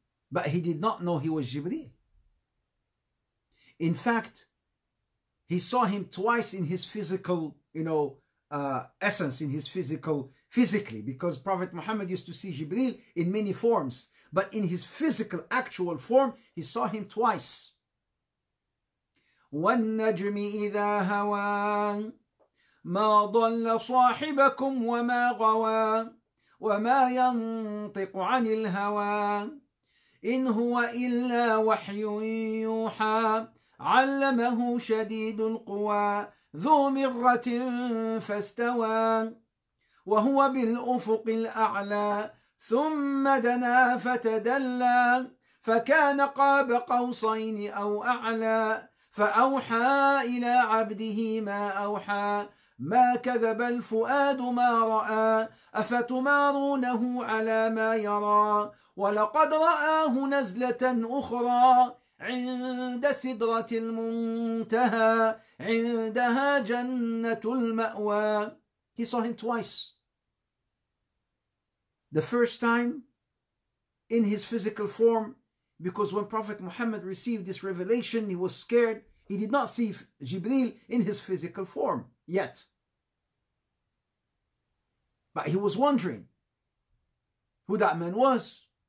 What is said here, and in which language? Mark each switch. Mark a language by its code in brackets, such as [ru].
[en] But he did not know he was Jibreel. In fact, he saw him twice in his physical, essence, in his physically, because Prophet Muhammad used to see Jibreel in many forms, but in his physical, actual form, he saw him twice. [ar] وَالنَّجْمِ إِذَا هَوَى مَا ضَلَّ صَاحِبَكُمْ وَمَا غَوَى وَمَا يَنطِقُ عَنِ الْهَوَى إِنْ هُوَ إِلَّا وَحْيٌ يُوحَى عَلَّمَهُ شَدِيدُ الْقُوَى ذو مرة فاستوى وهو بالأفق الأعلى ثم دنا فتدلى فكان قاب قوسين أو أعلى فأوحى إلى عبده ما أوحى ما كذب الفؤاد ما رأى أفتمارونه على ما يرى ولقد رآه نزلة أخرى عند سدرة المنتهى عندها جنة المأوى. [en] He saw him twice. The first time in his physical form, because when Prophet Muhammad received this revelation, he was scared. He did not see Jibreel in his physical form yet. But he was wondering who that man was.